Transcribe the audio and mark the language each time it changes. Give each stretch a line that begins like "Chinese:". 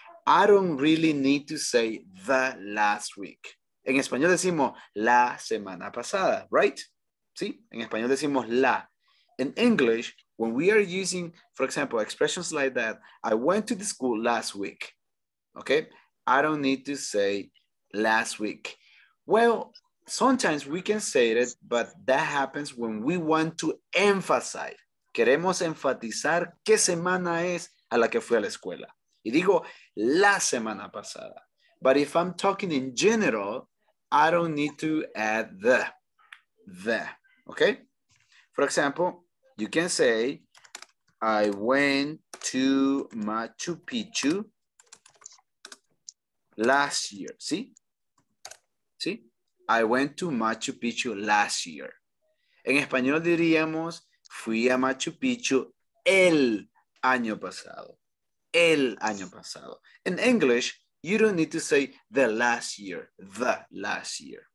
English: I don't really need to say the last week.
Spanish: En español decimos la semana pasada, right? ¿Sí? En español decimos la.
English: In English, when we are using, for example, expressions like that, I went to the school last week, okay? I don't need to say last week. Well, sometimes we can say it, but that happens when we want to emphasize.
Spanish: Queremos enfatizar qué semana es a la que fui a la escuela. Y digo, la semana pasada.
English: But if I'm talking in general, I don't need to add the, okay? For example, you can say, I went to Machu Picchu last year, see? I went to Machu Picchu last year.
Spanish: En español diríamos, fui a Machu Picchu el año pasado. El año pasado.
English: In English, you don't need to say the last year, the last year.